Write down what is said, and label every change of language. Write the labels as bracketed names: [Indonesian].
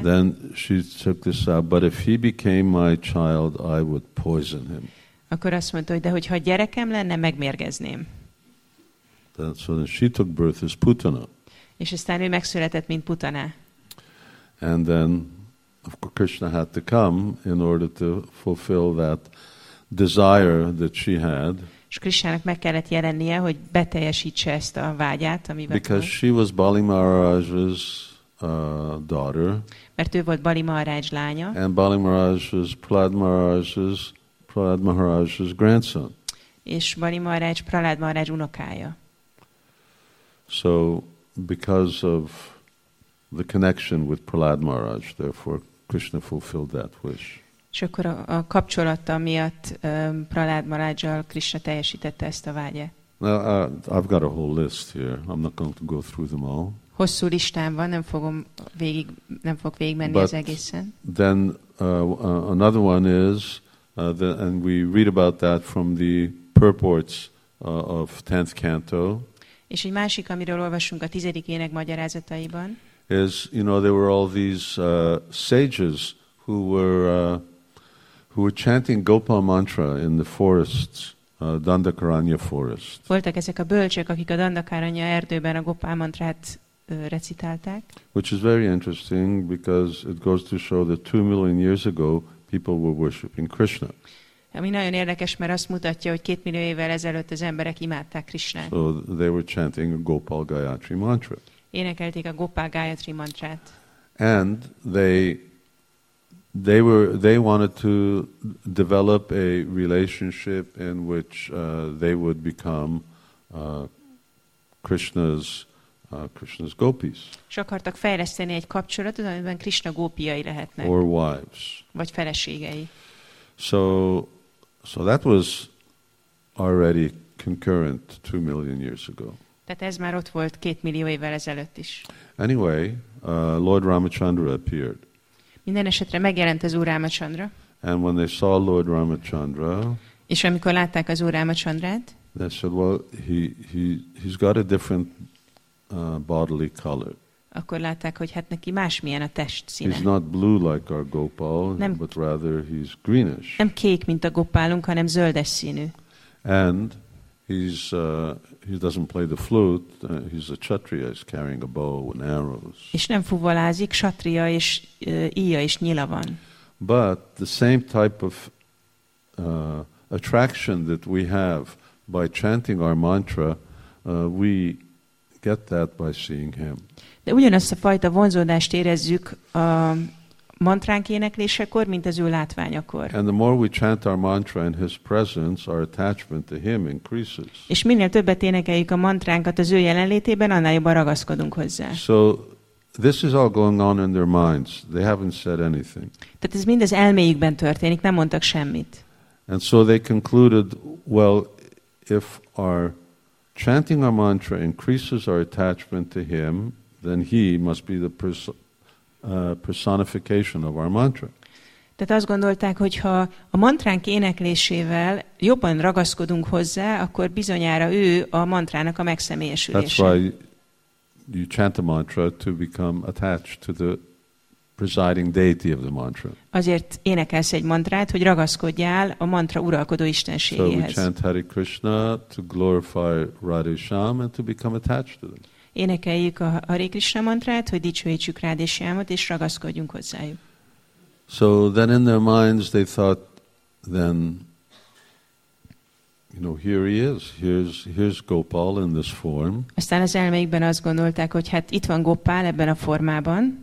[English] Then she took this out, but if he became my child, I would poison him. [Hungarian] Akkor azt mondta, hogy de hogyha gyerekem lenne, megmérgezném. [English] Then she took birth as Putana. [Hungarian] És aztán ő megszületett, mint Putana. [English] And then, of course, Krishna had to come in order to fulfill that desire that she had. [Hungarian] És Krishnának meg kellett jelennie, hogy beteljesítse ezt a vágyát, amiben. [English] Because she was Bali Maharaj's daughter. [Hungarian] Mert ő volt Bali Maharaj lánya. [English] And Bali Maharaj was Prahlad Maharaj's Prahlad Maharaj's grandson. [Hungarian] És Bali Maharaj Prahlad Maharaj unokája. [English] So because of the connection with Prahlad Maharaj, therefore Krishna fulfilled that wish. [Hungarian] És akkor a kapcsolata miatt Prahlad Maharajjal Krishna teljesítette ezt a vágyát. [English] Now, I've got a whole list here. I'm not going to go through them all. [Hungarian] Hosszú listám van, nem fog végig menni [English] but [Hungarian] az egészen. [English] Then another one is, and we read about that from the purports of 10th canto. [Hungarian] És egy másik, amiről olvasunk a tizedik ének magyarázataiban. [English] Is, you know, there were all these sages who were chanting Gopal mantra in the forests. Dandakaranya forest. [Hungarian] Voltak ezek a bölcsek, akik a Dandakaranya erdőben a Gopal mantrát recitálták. [English] Which is very interesting because it goes to show that 2 million years ago people were worshiping Krishna. [Hungarian] Ami nagyon érdekes, mert azt mutatja, hogy 2 millió évvel ezelőtt az emberek imádták Krishnát. [English] So they were chanting a Gopal Gayatri mantra. [Hungarian] Énekelték a Gopal Gayatri mantrát. [English] And they wanted to develop a relationship in which they would become Krishna's gopis. [Hungarian] És akartak fejleszteni egy kapcsolatot, amiben Krishna gópiai lehetnek. [English] Or wives. [Hungarian] Vagy feleségei. [English] So that was already concurrent 2 million years ago. [Hungarian] Tehát ez már ott volt 2 millió évvel ezelőtt is. [English] Anyway, Lord Ramachandra appeared. [Hungarian] Minden esetre megjelent az Úr Ramachandra. [English] And when they saw Lord Ramachandra, [Hungarian] és amikor látták az Úr Ramachandrát, [English] they said, well, he's got a different bodily color. [Hungarian] Akkor látták, hogy hát neki másmilyen a test színe. [English] He's not blue like our Gopal, [Hungarian] nem, [English] but rather he's greenish. [Hungarian] Nem kék, mint a Gopálunk, hanem zöldes színű. [English] And he doesn't play the flute, he's a kshatriya, he's carrying a bow and arrows. [Hungarian] És nem fuvolázik, kshatriya és íja és nyila van. [English] But the same type of attraction that we have by chanting our mantra, we get that by seeing him. [Hungarian] De ugyanazt a fajta vonzódást érezzük a mantránk éneklésekor, mint az ő látványakor. [English] And the more we chant our mantra in his presence, our attachment to him increases. [Hungarian] És minél többet énekeljük a mantránkat az ő jelenlétében, annál jobban ragaszkodunk hozzá. [English] So this is all going on in their minds. They haven't said anything. [Hungarian] Tehát ez mindez elméjükben történik, nem mondtak semmit. [English] And so they concluded, well, if our chanting our mantra increases our attachment to him, then he must be the person. Personification of our mantra. [Hungarian] Tehát azt gondolták, hogy ha a mantránk éneklésével jobban ragaszkodunk hozzá, akkor bizonyára ő a mantrának a megszemélyesülése. [English] That's why you chant a mantra to become attached to the presiding deity of the mantra. [Hungarian] Azért énekelsz egy mantrát, hogy ragaszkodjál a mantra uralkodó istenségéhez. [English] So we chant Hare Krishna to glorify Radhe Shyam and to become attached to them. [Hungarian] Énekeljük a Hare Krishna mantrát, hogy dicsőítsük Radhe Shyamot, és ragaszkodjunk hozzájuk. [English] So then in their minds they thought, then, you know, here he is, here's Gopal in this form. [Hungarian] Aztán az elmeikben azt gondolták, hogy hát itt van Gopal ebben a formában.